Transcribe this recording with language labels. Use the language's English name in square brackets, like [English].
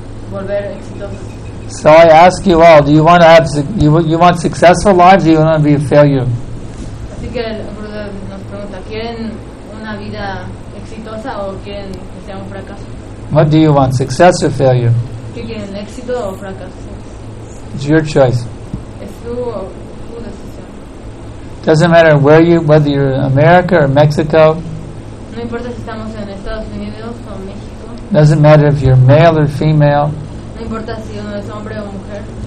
[English] So I ask you all, do you want to have you want successful lives, or do you want to be a failure? [Spanish] Así que el Buda nos pregunta, ¿quieren una vida exitosa o quieren que sea un fracaso? [English] What do you want, success or failure? [Spanish] ¿Qué quieren, éxito o fracaso? [English] It's your choice. [Spanish] Es su decisión. [English] Doesn't matter where you, whether you're in America or Mexico. [Spanish] No importa si estamos en Estados Unidos o México. [English] Doesn't matter if you're male or female. [Spanish] No importa si uno es hombre o mujer.